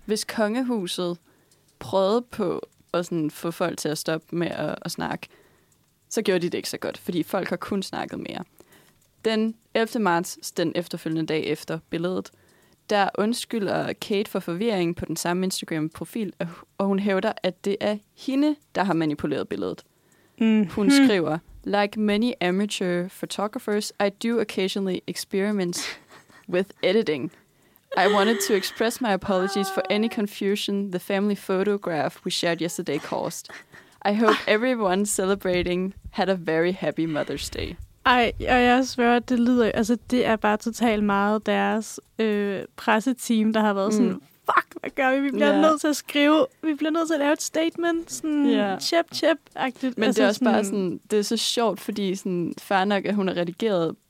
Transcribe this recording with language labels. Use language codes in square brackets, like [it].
[da] Hvis kongehuset... prøvede på at sådan få folk til at stoppe med at snakke, så gjorde de det ikke så godt, fordi folk har kun snakket mere. Den 11. marts, den efterfølgende dag efter billedet, der undskylder Kate for forvirringen på den samme Instagram-profil, og hun hævder, at det er hende, der har manipuleret billedet. Hun skriver, [en] "Like many amateur photographers, I do occasionally experiment with editing. I wanted to express my apologies for any confusion the family photograph we shared yesterday caused. I hope everyone celebrating had a very happy Mother's Day." [da] Ej, og jeg svør, at det lyder... Altså, det er bare totalt meget deres presseteam, der har været sådan... Fuck, hvad gør vi? Vi bliver nødt til at skrive... Vi bliver nødt til at lave et statement. Sådan chip-chip-agtigt. Men altså, det er også sådan, bare sådan... Det er så sjovt, fordi sådan, fair nok, at hun er redigeret...